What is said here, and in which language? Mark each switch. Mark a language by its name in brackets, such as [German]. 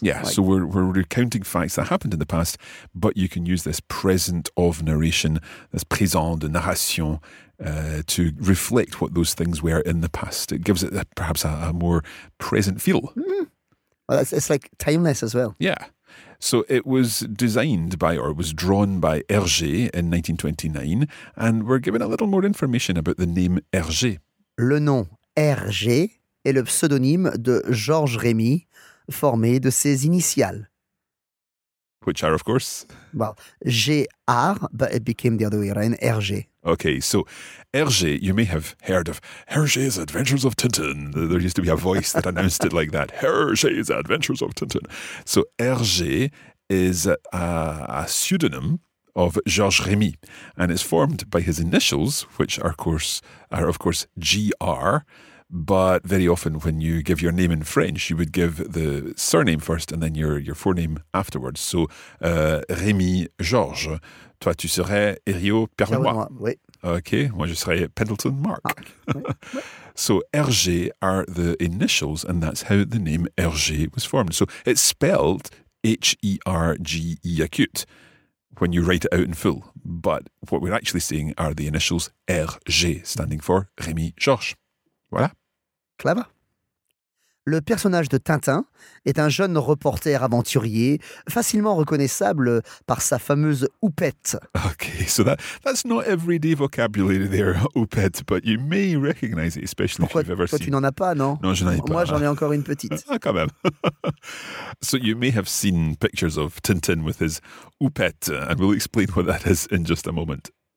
[English] Yeah, like, so we're recounting facts that happened in the past, but you can use this present of narration, this présent de narration, to reflect what those things were in the past. It gives it perhaps a more present feel. Mm. Well, it's like timeless as well. Yeah. So it was designed by, or it was drawn by Hergé in 1929, and we're given a little more information about the name Hergé. [French] Le nom Hergé est le pseudonyme de Georges Rémy, formé de ses initiales. [English] Which are, of course? Well, G-R, but it became the other way around, Hergé. Okay, so Hergé, you may have heard of Hergé's Adventures of Tintin. There used to be a voice that announced it like that. Hergé's Adventures of Tintin. So Hergé is a pseudonym of Georges Rémy, and it's formed by his initials, which are, of course, G-R. But very often when you give your name in French, you would give the surname first and then your forename afterwards. [French] So, Rémy Georges, toi tu serais Hériot Pierre-Benoît. Oui. OK, moi je serais Pendleton Mark. [English] So RG are the initials, and that's how the name RG was formed. So it's spelled H-E-R-G-E acute when you write it out in full. But what we're actually seeing are the initials RG, standing for Rémi Georges. [French] Voilà. [English] Clever. [French] Le personnage de Tintin est un jeune reporter aventurier, facilement reconnaissable par sa fameuse houppette. [English] Okay, so that's not everyday vocabulary there, houppette, but you may recognize it, especially [French] pourquoi, [English] if you've ever [French] toi, [English] seen... [French] Toi, tu n'en as pas, non? Non, je n'en ai pas. Moi, j'en ai encore une petite. Ah, quand même. [English] So you may have seen pictures of Tintin with his houppette, and we'll explain what that is in just a moment.